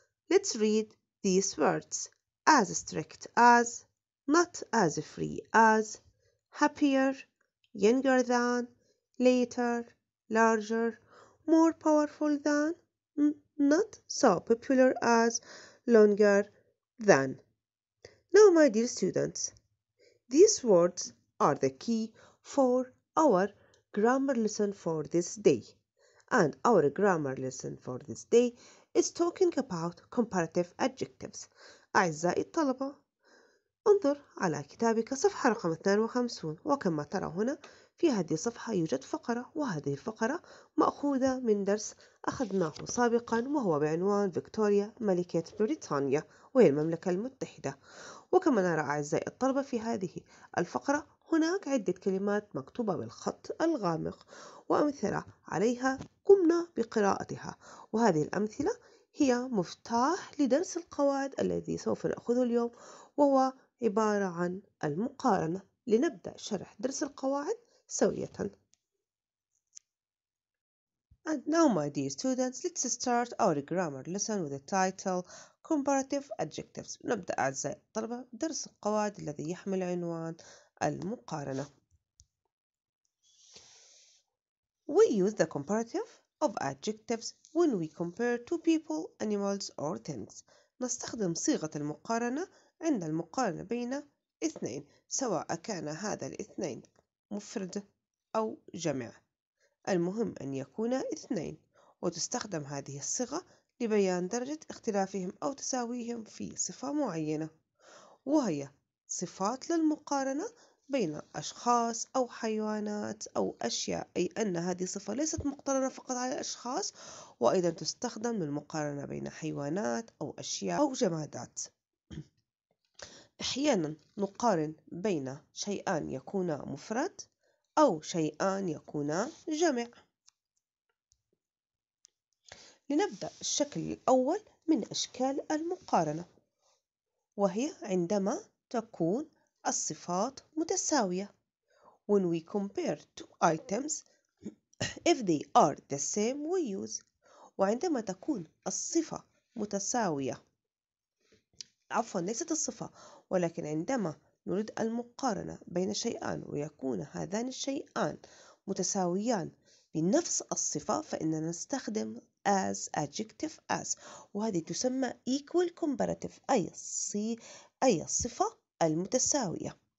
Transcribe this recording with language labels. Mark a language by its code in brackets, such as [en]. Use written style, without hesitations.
[en] Let's read these words: as strict as, not as free as, happier, younger than, later, larger, more powerful than, not so popular as, longer than. Now, my dear students, these words are the key for our grammar lesson for this day. And our grammar lesson for this day is talking about comparative adjectives. [ar] أعزائي الطلبة، انظر على كتابك صفحة رقم 52 وكما ترى هنا في هذه الصفحة يوجد فقرة وهذه الفقرة مأخوذة من درس أخذناه سابقا وهو بعنوان فيكتوريا ملكة بريطانيا وهي المملكة المتحدة. وكما نرى أعزائي الطلبة في هذه الفقرة هناك عدة كلمات مكتوبة بالخط الغامق وأمثلة عليها قمنا بقراءتها، وهذه الأمثلة هي مفتاح لدرس القواعد الذي سوف نأخذه اليوم وهو عبارة عن المقارنة. لنبدأ شرح درس القواعد سوية. [en] And now, my dear students, let's start our grammar lesson with the title Comparative Adjectives. [ar] نبدأ أعزائي الطلبة درس القواعد الذي يحمل عنوان المقارنة. [en] We use the comparative of adjectives when we compare two people, animals, or things. [ar] نستخدم صيغة المقارنة عند المقارنة بين اثنين، سواء كان هذا الاثنين مفرد أو جمع، المهم أن يكون اثنين، وتستخدم هذه الصيغة لبيان درجة اختلافهم أو تساويهم في صفة معينة، وهي صفات للمقارنة بين أشخاص أو حيوانات أو أشياء، أي أن هذه الصفة ليست مقترنة فقط على الأشخاص، وأيضا تستخدم للمقارنة بين حيوانات أو أشياء أو جمادات. أحيانا نقارن بين شيئان يكونا مفرد أو شيئان يكونا جمع. لنبدأ الشكل الأول من أشكال المقارنة، وهي عندما تكون الصفات متساوية. [en] When we compare two items, if they are the same, we use. [ar] وعندما تكون الصفة متساوية، عفوا ليست الصفة، ولكن عندما نريد المقارنة بين شيئان ويكون هذان الشيئان متساويان بنفس الصفة، فإننا نستخدم [en] as adjective as، [ar] وهذه تسمى [en] equal comparative، [ar] أي الصفة المتساوية.